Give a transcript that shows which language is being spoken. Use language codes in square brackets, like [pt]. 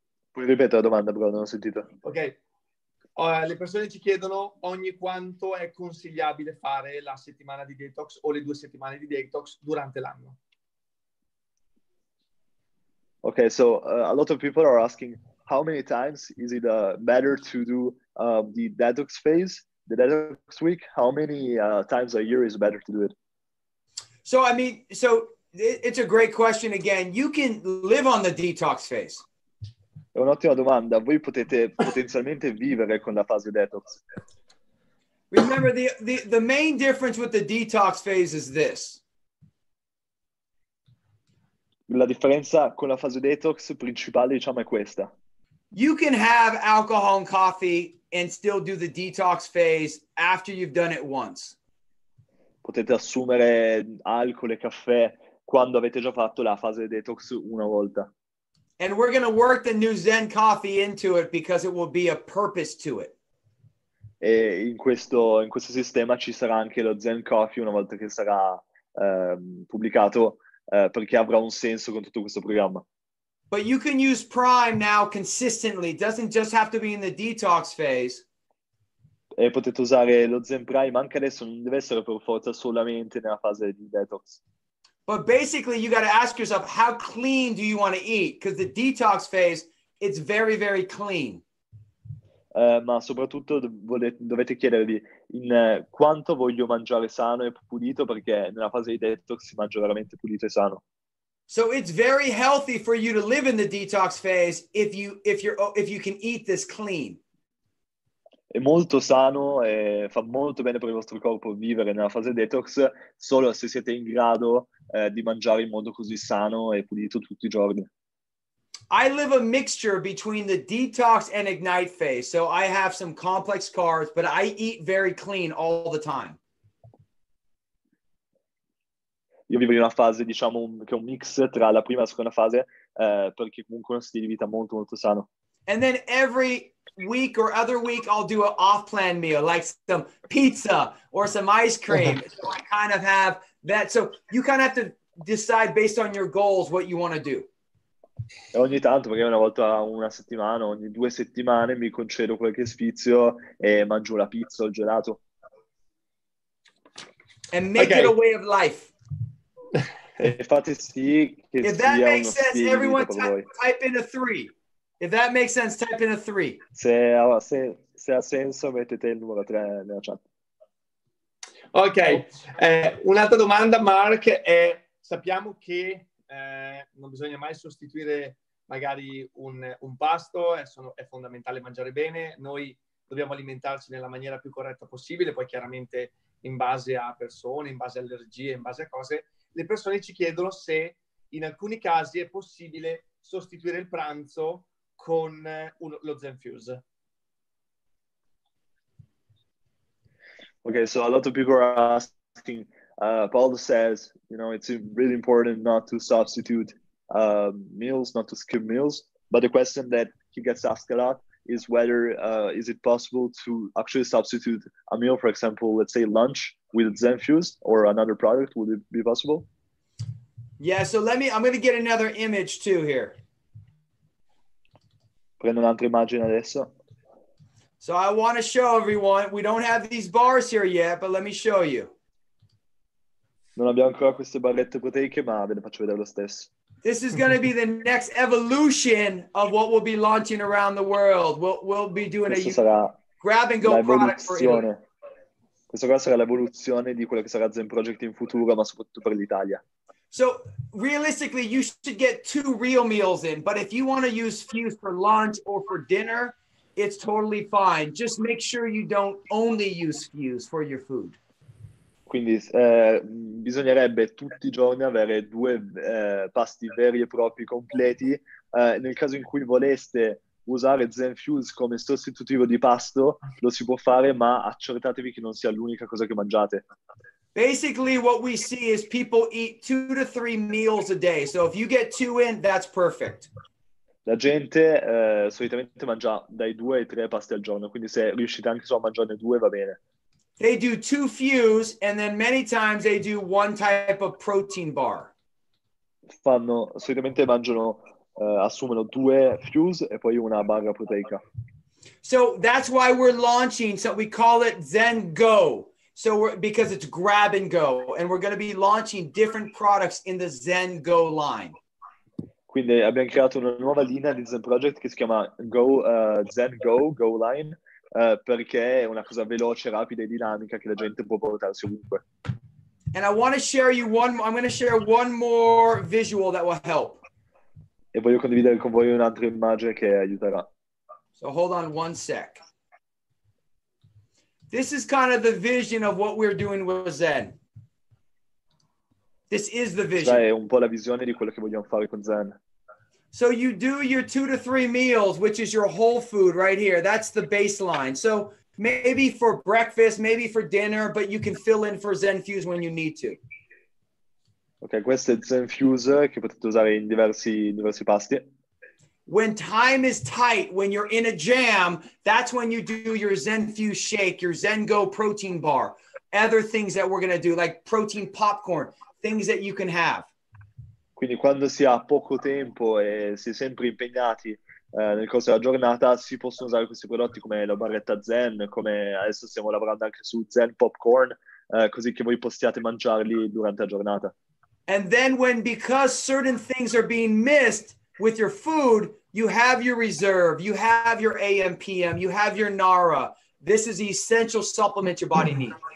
[it] Puoi ripetere la domanda, però non ho sentito. Ok, le persone ci chiedono ogni quanto è consigliabile fare la settimana di detox o le due settimane di detox durante l'anno. [en] Okay, so a lot of people are asking, how many times is it better to do the detox phase, the detox week? How many times a year is better to do it? So, I mean, so it's a great question again. You can live on the detox phase. [it] È un'ottima domanda. Voi potete potenzialmente vivere con la fase detox. [en] Remember, the main difference with the detox phase is this. [it] La differenza con la fase detox principale, diciamo, è questa. [en] You can have alcohol and coffee and still do the detox phase after you've done it once. [it] Potete assumere alcol e caffè quando avete già fatto la fase detox una volta. [en] And we're going to work the new Zen coffee into it because it will be a purpose to it. [it] E in questo sistema ci sarà anche lo Zen coffee una volta che sarà pubblicato. Perché avrà un senso con tutto questo programma. [en] But you can use Prime now consistently. It doesn't just have to be in the detox phase. [it] E potete usare lo Zen Prime anche adesso, non deve essere per forza solamente nella fase di detox. [en] But basically you got to ask yourself, how clean do you want to eat? Because the detox phase, it's very, very clean. [it] Ma soprattutto dovete chiedervi in quanto voglio mangiare sano e pulito, perché nella fase di detox si mangia veramente pulito e sano. [en] So it's very healthy for you to live in the detox phase if you can eat this clean. [it] È molto sano e fa molto bene per il vostro corpo vivere nella fase detox solo se siete in grado di mangiare in modo così sano e pulito tutti i giorni. [en] I live a mixture between the detox and ignite phase. So I have some complex carbs, but I eat very clean all the time. [it] Io vivo in una fase, diciamo, che è un mix tra la prima e la seconda fase, perché comunque è uno stile di vita molto, molto sano. [en] And then every week or other week, I'll do an off-plan meal, like some pizza or some ice cream. So I kind of have that. So you kind of have to decide based on your goals what you want to do. [it] E ogni tanto, perché una volta una settimana, ogni due settimane mi concedo qualche sfizio e mangio la pizza o il gelato. [en] And make it a way of life. [it] E fate sì che [en] if [it] sia [en] that makes [it] uno [en] sense, [it] stile [en] everyone [it] per voi. [en] Type in a three. If that makes sense, type in a three. [it] Se ha senso, mettete il numero 3 nella chat. Ok, un'altra domanda, Mark, è sappiamo che non bisogna mai sostituire magari un pasto, è fondamentale mangiare bene, noi dobbiamo alimentarci nella maniera più corretta possibile, poi chiaramente in base a persone, in base a allergie, in base a cose, le persone ci chiedono se in alcuni casi è possibile sostituire il pranzo con lo Zenfuse. [en] Okay, so a lot of people are asking, Paul says, you know, it's really important not to substitute meals, not to skip meals. But the question that he gets asked a lot is whether, is it possible to actually substitute a meal, for example, let's say lunch with Zenfuse or another product, would it be possible? Yeah, so I'm going to get another image too here. [it] Prendo un'altra immagine adesso. [en] So I want to show everyone, we don't have these bars here yet, but let me show you. [it] Non abbiamo ancora queste barrette proteiche, ma ve le faccio vedere lo stesso. [en] This is going to be the next evolution of what we'll be launching around the world. We'll be doing a grab and go product for you. [it] Questo qua sarà l'evoluzione di quello che sarà Zen Project in futuro, ma soprattutto per l'Italia. [en] So realistically, you should get two real meals in, but if you want to use Fuse for lunch or for dinner, it's totally fine. Just make sure you don't only use Fuse for your food. [it] Quindi bisognerebbe tutti i giorni avere due pasti veri e propri completi. Nel caso in cui voleste usare Zenfuse come sostitutivo di pasto, lo si può fare, ma accertatevi che non sia l'unica cosa che mangiate. [en] Basically, what we see is people eat 2 to 3 meals a day. So if you get two in, that's perfect. [it] La gente solitamente mangia dai 2 ai 3 pasti al giorno, quindi se riuscite anche solo a mangiarne 2 va bene. [en] They do 2 Fuse and then many times they do 1 type of protein bar. [it] Fanno, solitamente mangiano, assumono 2 Fuse e poi una barra proteica. [en] So that's why we're launching, so we call it Zen Go. So because it's grab and go, and we're going to be launching different products in the Zen Go line. [it] Quindi abbiamo creato una nuova linea di Zen Project che si chiama Go, Zen Go, Go Line, perché è una cosa veloce, rapida e dinamica che la gente può portarsi ovunque. [en] And I want to share you one, I'm going to share one more visual that will help. [it] E voglio condividere con voi un'altra immagine che aiuterà. [en] So hold on one sec. This is kind of the vision of what we're doing with Zen. This is the vision. [it] Cioè, è un po' la visione di quello che vogliamo fare con Zen. [en] So you do your 2 to 3 meals, which is your whole food right here. That's the baseline. So maybe for breakfast, maybe for dinner, but you can fill in for Zenfuse when you need to. [it] Okay, questo è Zenfuse che potete usare in diversi pasti. [en] When time is tight, when you're in a jam, that's when you do your Zenfuse shake, your Zengo protein bar, other things that we're going to do, like protein popcorn, things that you can have. [it] Quindi quando si ha poco tempo e si è sempre impegnati nel corso della giornata, si possono usare questi prodotti come la barretta Zen, come adesso stiamo lavorando anche su Zen popcorn, così che voi possiate mangiarli durante la giornata. [en] And then when, because certain things are being missed with your food, you have your reserve, you have your AMPM, you have your NARA. This is the essential supplement your body needs.